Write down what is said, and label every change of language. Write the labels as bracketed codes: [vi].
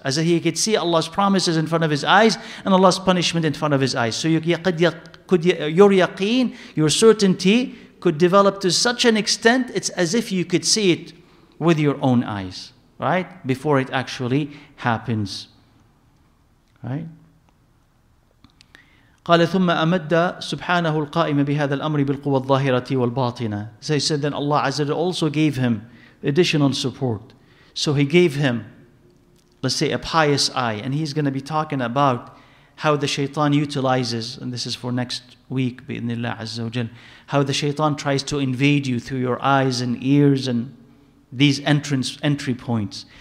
[en] As if he could see Allah's promises in front of his eyes and Allah's punishment in front of his eyes. So your yaqeen, your certainty could develop to such an extent, it's as if you could see it with your own eyes. Right? Before it actually happens. Right? [ar] قال ثم أمد سبحانه القائم بهذا الأمر بالقوى الظاهرة والباطنة. [en] So he said then Allah Azza wa Jalla also gave him additional support. So he gave him, let's say, a pious eye. And he's going to be talking about how the shaitan utilizes, and this is for next week, [ar] بإذن الله عز وجل, [en] how the shaitan tries to invade you through your eyes and ears and these entry points.